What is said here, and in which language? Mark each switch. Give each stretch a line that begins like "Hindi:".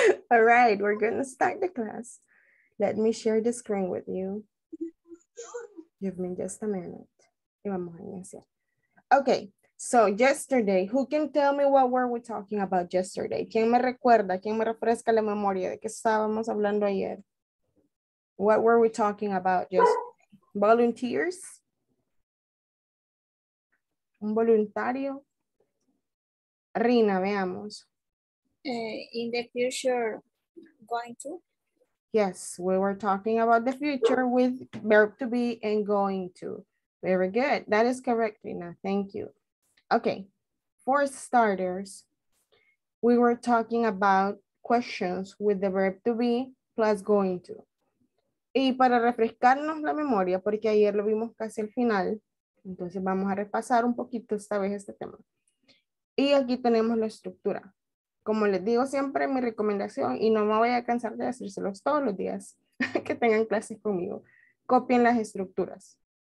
English: All right, we're going to start the class. Let me share the screen with you. Give me just a minute.
Spanish: Y vamos a iniciar.
English: Okay. So yesterday, who can tell me what were we talking about yesterday?
Spanish: ¿Quién me recuerda? ¿Quién me refresca la memoria de qué estábamos hablando ayer?
English: What were we talking about yesterday? Volunteers?
Spanish: ¿Un voluntario? Rina, veamos.
English: In the future, going to? Yes, we were talking about the future with verb to be and going to. Very good. That is correct, Rina. Thank you. Okay, for starters, we were talking about questions with the verb to be plus going to.
Spanish: Y para refrescarnos la memoria, porque ayer lo vimos casi al final, entonces vamos a repasar un poquito esta vez este tema. Y aquí tenemos la estructura. Como les digo siempre, mi recomendación, y no me voy a cansar de decírselos todos los días que tengan clases conmigo, copien las estructuras.